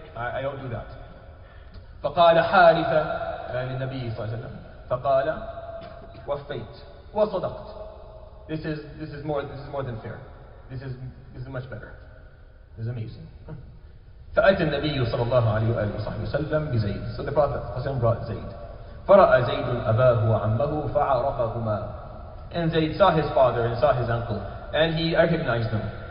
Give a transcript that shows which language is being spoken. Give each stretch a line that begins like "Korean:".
English: I don't do that.
Arabic: فَقَالَ حَارِثَ لِلنَّبِيِّ صَلَّى اللَّهُ عَلَيْهِ وَسَلَّمَ فَقَالَ وَفَيْتَ وَصَدَقْتَ.
English: This is more than fair. This is much better. This is amazing.
Arabic: فأتى النبي صلى الله عليه وآله وسلم بزيد.
English: So the Prophet brought Zaid.
Arabic: فرأى زيد أباه وعمه فعرفهما.
English: And Zaid saw his father and saw his uncle, and he recognized them.